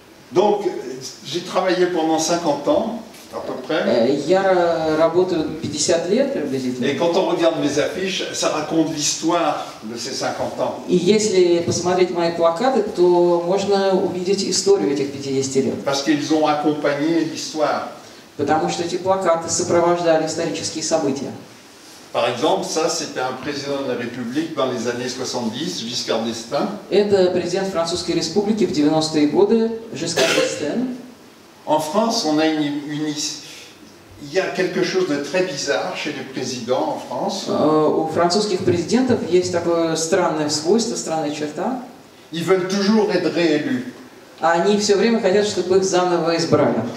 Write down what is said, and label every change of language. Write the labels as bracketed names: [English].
[French] Donc, j'ai travaillé pendant 50 ans, à peu près. [Russian] Я работаю 50 лет приблизительно. [French] Et quand on regarde mes affiches, ça raconte l'histoire de ces 50 ans. [Russian] И если посмотреть мои плакаты, то можно увидеть историю этих 50 лет. [French] Parce qu'ils ont accompagné l'histoire. [Russian] Потому что эти плакаты сопровождали исторические события. [French] Par exemple, ça, c'était un président de la République dans les années 70, Giscard d'Estaing. [Russian] Это президент Французской Республики в 90-е годы, Жискар Д'Эстен. [French] En France, on a il y a quelque chose de très bizarre chez les présidents en France. [Russian] У французских президентов есть такое странное свойство, странная черта. [French] Ils veulent toujours être réélus. [Russian] Они все время хотят, чтобы их заново избрали.